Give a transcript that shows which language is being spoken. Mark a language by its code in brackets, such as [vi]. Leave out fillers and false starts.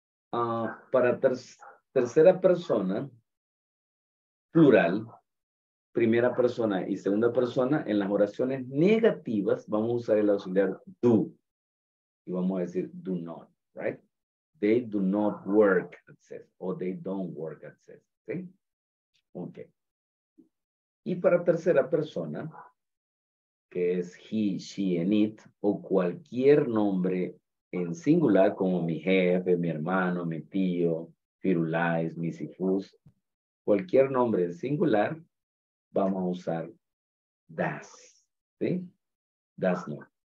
[es] Para tercera persona, plural, primera persona y segunda persona, en las oraciones negativas vamos a usar el auxiliar do. Y vamos a decir do not, right? [en] They do not work, it says, or they don't work, it says, ¿sí? Ok. [es] Y para tercera persona, que es he, she, and it, o cualquier nombre en singular, como mi jefe, mi hermano, mi tío, Firulais, Missy Fuss, cualquier nombre en singular, vamos a usar does, ¿sí? Does not.